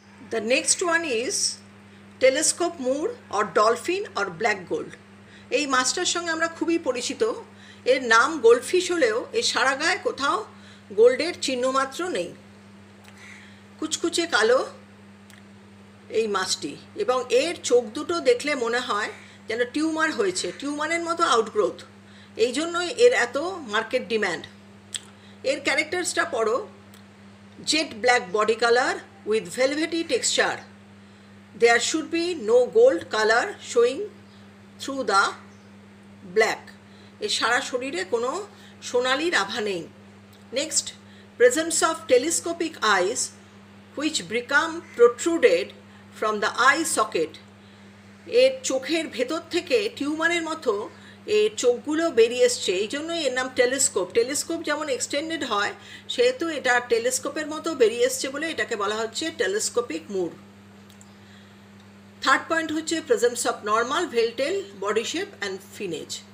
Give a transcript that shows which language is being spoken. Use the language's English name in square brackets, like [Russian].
[English] The next one is telescope moor or dolphin or black gold. [Bangla] এই মাছটার সঙ্গে আমরা খুবই পরিচিত। এর নাম গোল্ডফিশ হলেও এর সারা গায়ে কোথাও গোল্ডের চিহ্ন মাত্র নেই। কুচকুচে কালো এই মাছটি এবং এর চোখ দুটো দেখলে মনে হয় যেন টিউমার হয়েছে, টিউমারের মতো আউটগ্রোথ, এই জন্যই এর এত মার্কেট ডিম্যান্ড। এর ক্যারেক্টার্সটা পড়ো, [English] Jet black body colour with velvety texture, there should be no gold color showing through the black. [Bangla] এ সারা শরীরে কোনো সোনালির আভা নেই। [English] Next, presence of telescopic eyes which become protruded from the eye socket. [Bangla] এর চোখের ভেতর থেকে টিউমারের মতো এর চোখগুলো বেরিয়ে এসছে, এই জন্য এর নাম টেলিস্কোপ। টেলিস্কোপ যেমন এক্সটেন্ডেড হয় সেহেতু এটা টেলিস্কোপের মতো বেরিয়ে এসছে বলে এটাকে বলা হচ্ছে টেলিস্কোপিক মুর। [English] Third point হচ্ছে presence of normal veiltail body shape and finnage.